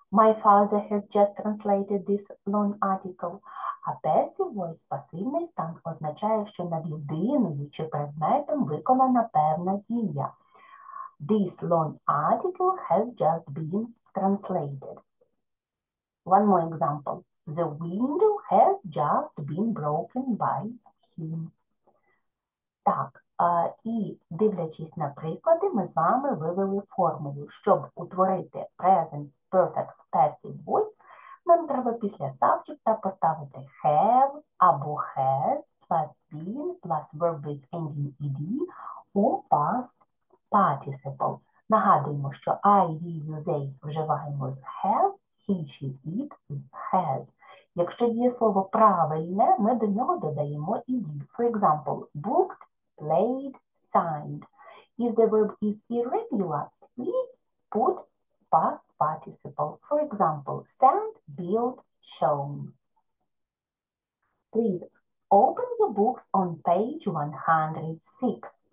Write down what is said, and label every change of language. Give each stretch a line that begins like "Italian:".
English: My father has just translated this long article.
Ukrainian: А passive voice, пасивний стан, означає, що над людиною чи предметом виконана певна дія.
English: This long article has just been translated. One more example. The window has just been broken by him.
Ukrainian: Так, і дивлячись на приклади, ми з вами вивели формулу, щоб утворити present perfect passive voice, нам треба після subject'а поставити have або has plus been plus verb with ending ed у past participle. Нагадуємо, що I, we, you, they вживаємо з have, he, she, it з has. Якщо дієслово правильне, ми до нього додаємо ed.
English: For example, booked, played, signed. If the verb is irregular, we put past participle. For example, sent, built, shown. Please open your books on page 106.